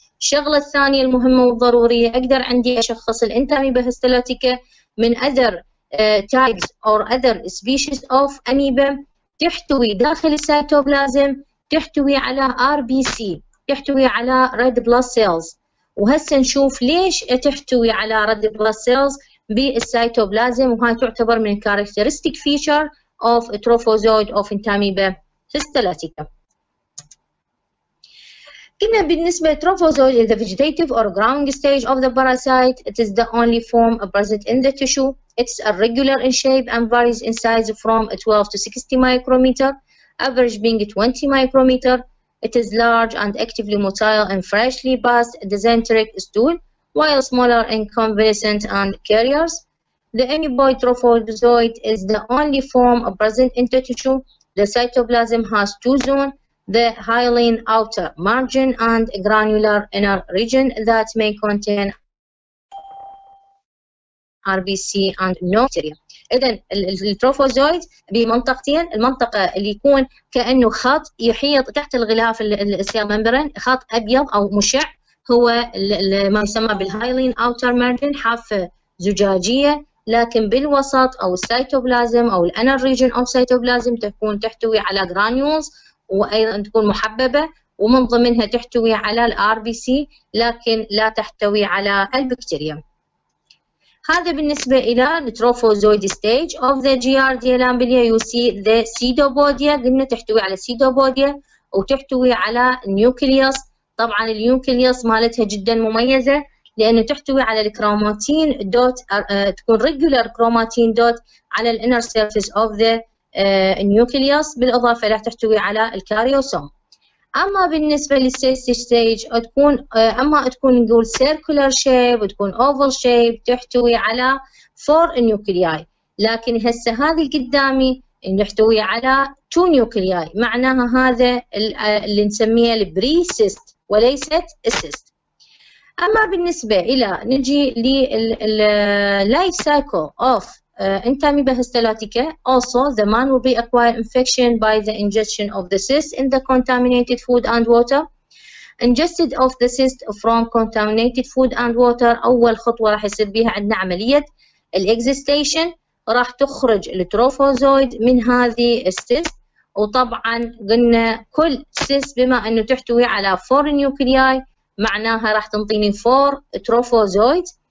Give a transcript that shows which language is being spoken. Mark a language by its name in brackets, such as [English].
[Arabic] الشغلة الثانية المهمة والضرورية أقدر عندي أشخص الانتاميبهستلاتيكا من [English] other types or other species of amoeba [Arabic] تحتوي داخل السيتوبلازم تحتوي على RBC تحتوي على [English] red blood cells. [Arabic] وهسه نشوف ليش تحتوي على [English] red blood cells [Arabic] بالسيتوبلازم، وهي تعتبر من [English] characteristic feature of trophozoid of entamoebahistolytica. [Arabic] كنا بالنسبة [English] trophozoid is the vegetative or growing stage of the parasite. It is the only form present in the tissue. It's irregular in shape and varies in size from 12 to 60 micrometer, average being 20 micrometer. It is large and actively motile in freshly passed dysenteric stool, while smaller in convalescent and carriers. The amoeboid trophozoid is the only form present in the tissue. The cytoplasm has two zones, the hyaline outer margin and granular inner region that may contain RBC and no bacteria. [Arabic] إذا التروفوزويد بمنطقتين، المنطقة اللي يكون كأنه خط يحيط تحت الغلاف السيال ممبرين، خط أبيض أو مشع هو ما يسمى بالهايلين أوتر مارجن، حافة زجاجية، لكن بالوسط أو السيتوبلازم أو الأنر ريجن أو سيتوبلازم تكون تحتوي على جرانيولز وأيضا تكون محببة ومن ضمنها تحتوي على الار بي سي لكن لا تحتوي على البكتيريا. هذا بالنسبة إلى التروفوزويد ستيج [English] of the Giardia lamblia. You see the pseudobodia، [Arabic] قلنا تحتوي على [English] pseudobodia وتحتوي على nucleus. [Arabic] طبعا النيوكليوس مالتها جدا مميزة لأنه تحتوي على الكروماتين دوت، تكون regular كروماتين دوت على [English] the inner surface of the nucleus، [Arabic] بالإضافة لها تحتوي على الكاريوسوم. أما بالنسبة للسيست ستيج تكون أما تكون نقول [English] circular shape [Arabic] وتكون [English] oval shape، [Arabic] تحتوي على [English] four nuclei، [Arabic] لكن هسه هذه قدامي نحتوي على [English] two nuclei، [Arabic] معناها هذا اللي نسميه البريسيست وليست السيست. أما بالنسبة إلى نجي لل [English] life cycle of entamoebahistolytica، also the man will be acquired infection by the ingestion of the cyst in the contaminated food and water. Ingested of the cyst from contaminated food and water، [Arabic] أول خطوة راح يصير بها عندنا عملية الاكزيستيشن، راح تخرج التروفوزويد من هذه السيست. وطبعا قلنا كل سيست بما أنه تحتوي على 4 نيوكلياي معناها راح تنطيني 4 تروفوزويد.